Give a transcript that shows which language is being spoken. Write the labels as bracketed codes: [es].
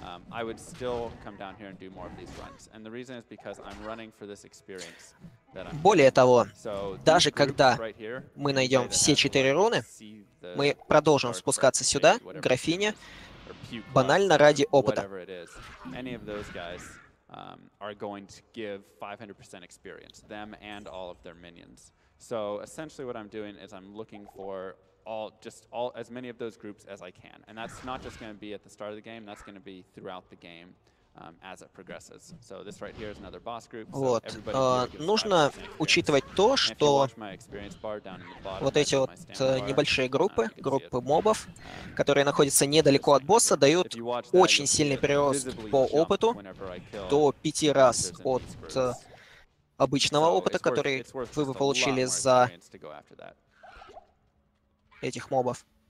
[en] I would still come down here and do more of these runs, and the reason is because I'm running for this experience that I'm. [ru] Более того, даже когда мы найдем все четыре руны, мы продолжим спускаться сюда, к графине, банально ради опыта. [en] Any of those guys are going to give 500% experience, them and all of their minions. So essentially, what I'm doing is I'm looking for all as many of those groups as I can, and that's not just going to be at the start of the game, that's going to be throughout the game as it progresses. So this right here is another boss group. [ru] Вот, нужно учитывать то, что вот эти вот небольшие группы, группы мобов, которые находятся недалеко от босса, дают очень сильный прирост по опыту до 5 раз от обычного опыта, который вы бы получили за этих мобов.